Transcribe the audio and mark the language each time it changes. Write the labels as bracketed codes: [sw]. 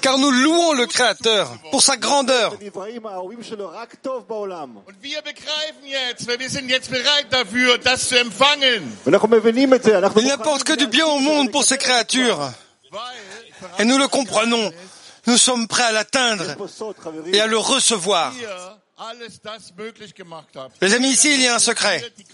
[fr] Car nous louons le Créateur pour sa grandeur. [de] Und wir begreifen jetzt, weil wir sind jetzt bereit dafür, das zu empfangen. [fr] Il n'apporte que du bien au monde pour ces créatures. Et nous le comprenons. Nous sommes prêts à l'atteindre et à le recevoir. Les amis, ici, il y a un secret.